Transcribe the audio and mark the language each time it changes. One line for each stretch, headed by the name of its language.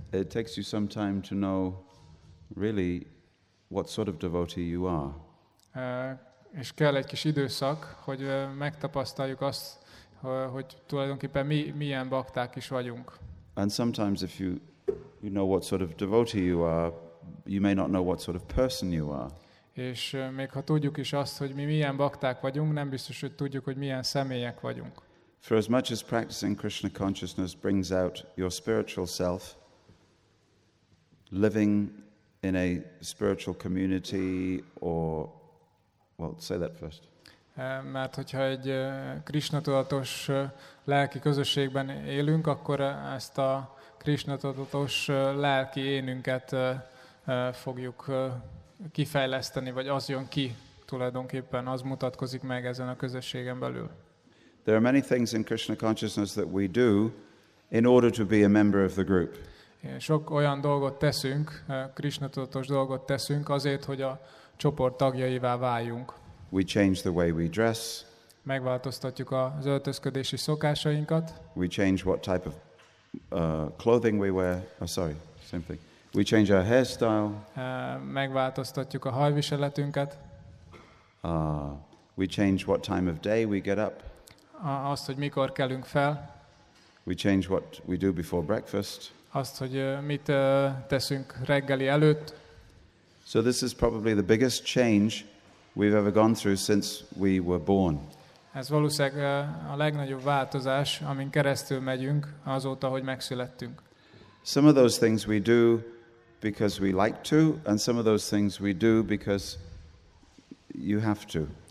English: It takes you some time to know really what sort of devotee you are.
Hungarian: És kell egy kis időszak, hogy megtapasztaljuk azt, hogy tulajdonképpen mi milyen bakták is vagyunk.
English: And sometimes if you know what sort of devotee you are, you may not know what sort of person you are.
Hungarian: És még ha tudjuk is azt, hogy mi milyen bakták vagyunk, nem biztos, hogy tudjuk, hogy milyen személyek vagyunk.
English: For as much as practicing Krishna consciousness brings out your spiritual self, living in a spiritual community or, well, say that first.
Hungarian: Mert hogyha egy Krishna tudatos lelki közösségben élünk, akkor ezt a Krishna tudatos lelki énünket fogjuk kifejleszteni, vagy az jön ki tulajdonképpen, az mutatkozik meg ezen a közösségen belül.
English: There are many things in Krishna consciousness that we do in order to be a member of the group.
Hungarian: Sok olyan dolgot teszünk, Krishna tudatos dolgot teszünk azért, hogy a csoport tagjaivá váljunk.
English: We change the way we dress.
Hungarian: Megváltoztatjuk az öltözködési szokásainkat.
English: We change what type of clothing we wear. Oh, sorry, same thing. We change our hairstyle.
Hungarian: Megváltoztatjuk a hajviseletünket.
English: We change what time of day we get up.
Hungarian: Azt, hogy mikor kelünk fel.
English: We change what we do before breakfast.
Hungarian: Azt, hogy mit teszünk reggeli előtt.
English: So this is probably the biggest change we've ever gone through since we were born.
Hungarian: Ez valószínűleg a legnagyobb változás, amin keresztül megyünk azóta, hogy megszülettünk.
English: Some of those things we do because we like to, and some of those things we do because you have to.